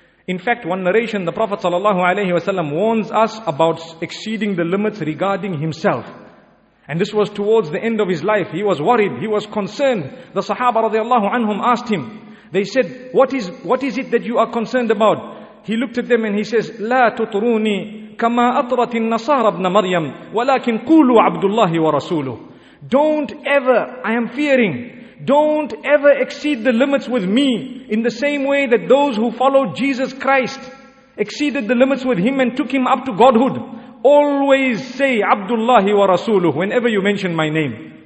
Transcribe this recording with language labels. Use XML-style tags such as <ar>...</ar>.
<en>In fact, one narration, the Prophet sallallahu alayhi wasallam warns us about exceeding the limits regarding himself. And this was towards the end of his life. He was worried. He was concerned. The Sahaba radiallahu anhum asked him. They said, what is it that you are concerned about? He looked at them and he says,</en> <ar>لا تطروني كما أطرت النصارى ابن مريم ولكن قولوا عبد الله ورسوله.</ar> <en>Don't ever, I am fearing, don't ever exceed the limits with me in the same way that those who followed Jesus Christ exceeded the limits with him and took him up to Godhood. Always say Abdullah wa Rasuluh whenever you mention my name.</en>